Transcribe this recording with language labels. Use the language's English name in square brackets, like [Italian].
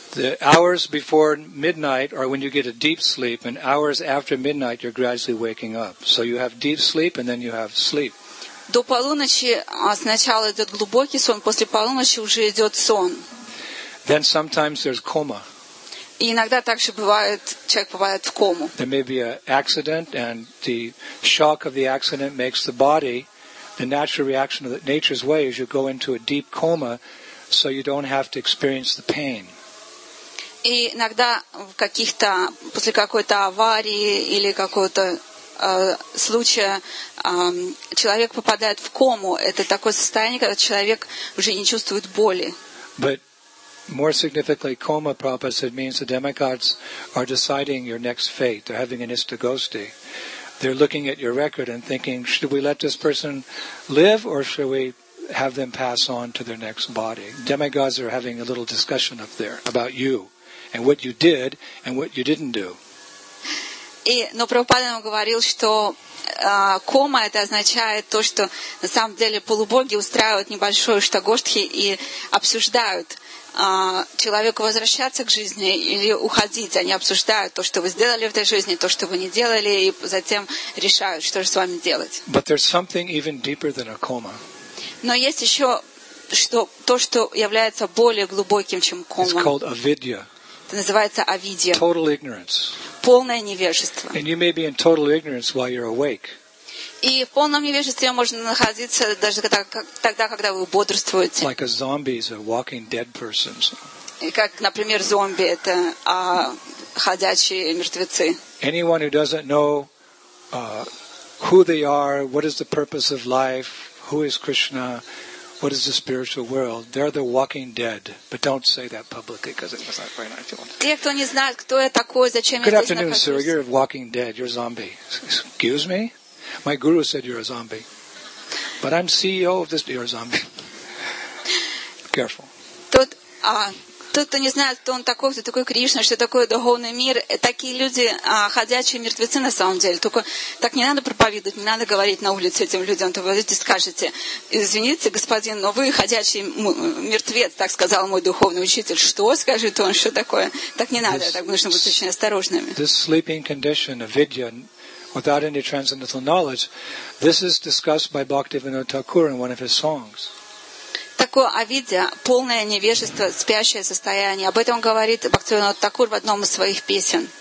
[English] The hours before midnight are when you get a deep sleep, and hours after midnight you're gradually waking up. So you have deep sleep, and then you have sleep. [Russian] До полуночи сначала идет глубокий сон, после полуночи уже идет сон. [English] Then sometimes there's coma. [Russian] И иногда также бывает, человек попадает в кому. [English] There may be an accident, and the shock of the accident makes the body, the natural reaction of nature's way is you go into a deep coma, so you don't have to experience the pain. [Russian] И иногда в каких-то после какой-то аварии или какого-то случая человек попадает в кому. Это такое состояние, когда человек уже не чувствует боли. [English] But more significantly, coma, Prabhupada said, means the demigods are deciding your next fate. They're having an istogosti. They're looking at your record and thinking, should we let this person live or should we have them pass on to their next body? Demigods are having a little discussion up there about you and what you did and what you didn't do. [Russian] Но Прабхупада нам говорил, что кома это означает то, что на самом деле полубоги устраивают небольшой иштагоштхи и обсуждают человеку возвращаться к жизни или уходить. Они обсуждают то, что вы сделали в этой жизни, то, что вы не делали, и затем решают, что же с вами делать. [English] But there's something even deeper than a coma. [Russian] Но есть еще что является более глубоким, чем кома. [English] It's called avidya. [Russian] Это называется авидья. [English] Total ignorance. [Russian] Полное невежество. [English] And you may be in total ignorance while you're awake. [Russian] И в полном невежестве можно находиться даже тогда, когда вы бодрствуете. [English] Like a zombie is a walking dead person. [Russian] И как, например, зомби – это ходячие мертвецы. [English] Anyone who doesn't know who they are, what is the purpose of life, who is Krishna, what is the spiritual world, they're the walking dead. But don't say that publicly, because it's not very nice. [Russian] Те, кто не знает, кто я такой, зачем я здесь нахожусь. [English] Good afternoon, sir. You're a walking dead. You're a zombie. Excuse me? My guru said you're a zombie. But I'm CEO of this... You're a zombie. Careful. [Russian] Тот, Тот, кто не знает, кто он такой, кто такой Кришна, что такое духовный мир, такие люди ходячие мертвецы на самом деле. Только так не надо проповедовать, не надо говорить на улице этим людям. То вы здесь скажете: извините, господин, но вы ходячий мертвец, так сказал мой духовный учитель. Что, скажет он, что такое? Так не надо, так нужно быть очень осторожными. [English] This sleeping condition, avidya, without any transcendental knowledge, this is discussed by Bhaktivinoda Thakur in one of his songs. [Russian] Такое авидья, полное невежество, спящее состояние. Об этом говорит Бхактивинод Такур в одном из своих песен.